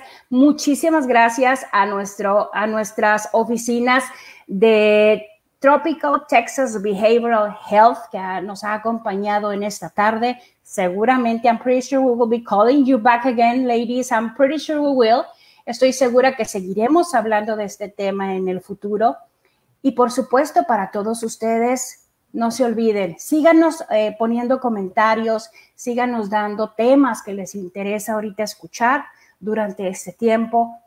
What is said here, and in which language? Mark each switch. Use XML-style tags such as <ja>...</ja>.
<es>Muchísimas gracias a nuestras oficinas de Tropical Texas Behavioral Health, que nos ha acompañado en esta tarde. Seguramente,</es> <en>I'm pretty sure we will be calling you back again, ladies. I'm pretty sure we will.</en> <es>Estoy segura que seguiremos hablando de este tema en el futuro. Y, por supuesto, para todos ustedes, no se olviden, síganos poniendo comentarios, síganos dando temas que les interesa ahorita escuchar durante este tiempo.</es>